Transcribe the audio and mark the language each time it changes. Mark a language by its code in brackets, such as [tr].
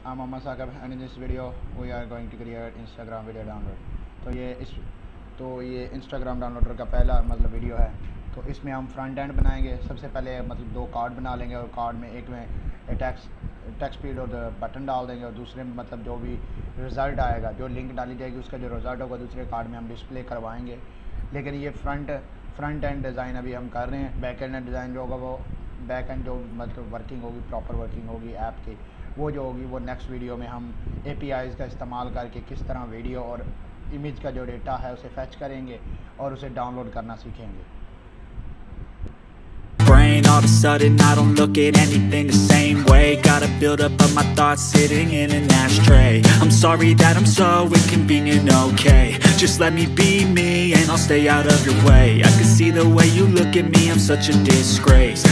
[en] I'm Amma Sagab, and in this video, we are going to create Instagram video download. So, this is Instagram downloader [hi] का पहला मतलब [en] video [hi] है. तो इसमें हम front end बनाएंगे. सबसे पहले मतलब दो card बना लेंगे और card में एक में text field और button डाल देंगे और दूसरे में मतलब जो भी result आएगा, जो link डाली जाएगी उसका जो result होगा दूसरे card में हम display करवाएंगे. लेकिन ये front end design अभी हम कर रहे हैं. Back end design जो होगा वो बैक एंड जो मतलब वर्किंग होगी, प्रॉपर वर्किंग होगी ऐप की, वो जो होगी वो नेक्स्ट वीडियो में हम APIs का इस्तेमाल करके किस तरह वीडियो और इमेज का जो डेटा है उसे फेच करेंगे और उसे डाउनलोड करना सीखेंगे. [en] All of a sudden I don't look at anything the same way. Gotta build up of my thoughts sitting in an ashtray. I'm sorry that I'm so inconvenient, okay. Just let me be me and I'll stay out of your way. I can see the way you look at me, I'm such a disgrace.